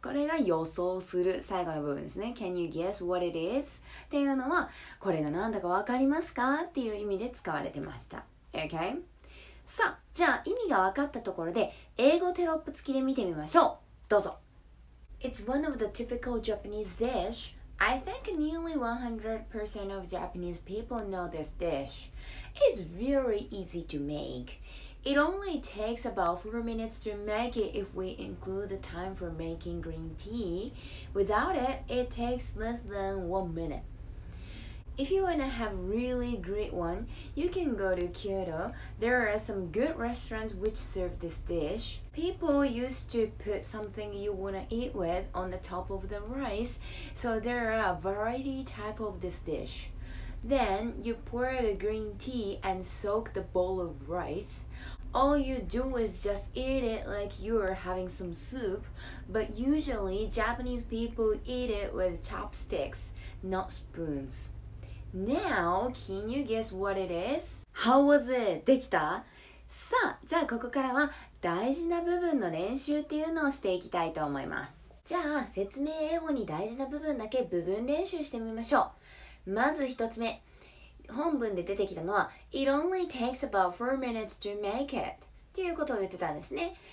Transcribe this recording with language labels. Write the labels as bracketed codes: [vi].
[ja] これが予想する最後の部分ですね。 [en] Can you guess what it is? [ja] っていうのは、これが何だか分かりますか?っていう意味で使われてました。 [en] Okay? [ja] さあ、じゃあ意味が分かったところで、英語テロップ付きで見てみましょう。どうぞ。 [en] It's one of the typical Japanese dish. I think nearly 100% of Japanese people know this dish. It's very easy to make. It only takes about 4 minutes to make it if we include the time for making green tea. Without it, it takes less than 1 minute. If you want to have a really great one, you can go to Kyoto. There are some good restaurants which serve this dish. People used to put something you want to eat with on the top of the rice, so there are a variety type of this dish. Then you pour the green tea and soak the bowl of rice. All you do is just eat it like you're having some soup, but usually Japanese people eat it with chopsticks, not spoons. Now, can you guess what it is? How was it? [ja] できた? さあ、じゃあここからは大事な部分の練習っていうのをしていきたいと思います。じゃあ、説明英語に大事な部分だけ部分練習してみましょう。まず一つ目。本文で出てきたのは [en] It only takes about 4 minutes to make it [ja] っていうことを言ってたんですね。